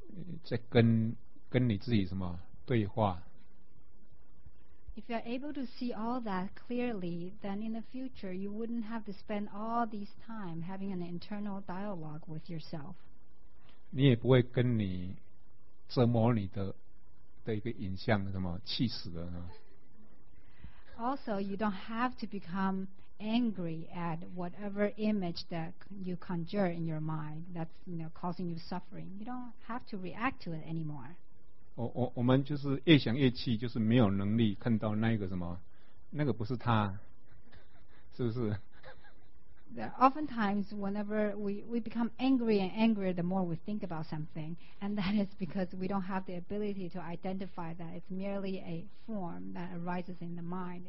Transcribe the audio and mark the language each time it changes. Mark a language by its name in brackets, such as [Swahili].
[Chinese] 如果你能够看清楚，那以后你就不会花很多时间在跟你自己什么。 [English] If you are able to see all that clearly, then in the future you wouldn't have to spend all this time having an internal dialogue with yourself. [Chinese] 你也不会跟你折磨你的一个影像什么气死了呢？ [English] Also, you don't have to become angry at whatever image that you conjure in your mind that's causing you suffering. You don't have to react to it anymore. [Chinese] 我们就是越想越气，就是没有能力看到那个什么，那个不是他，是不是？ [English] Oftentimes, whenever we become angry and angrier, the more we think about something, and that is because we don't have the ability to identify that it's merely a form that arises in the mind.